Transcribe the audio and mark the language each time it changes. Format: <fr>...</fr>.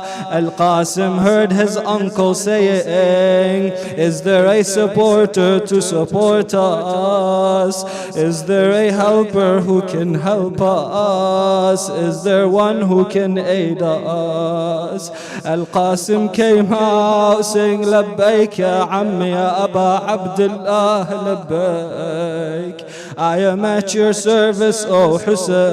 <en>Al-Qasim heard his uncle saying, is there a supporter to support us? Is there a helper who can help us? Is there one who can aid us? Al-Qasim came out saying,</en> <ar>لبيك يا عم يا أبا عبد الله لبيك.</ar> <en>I am at your service, O Hussein.</en>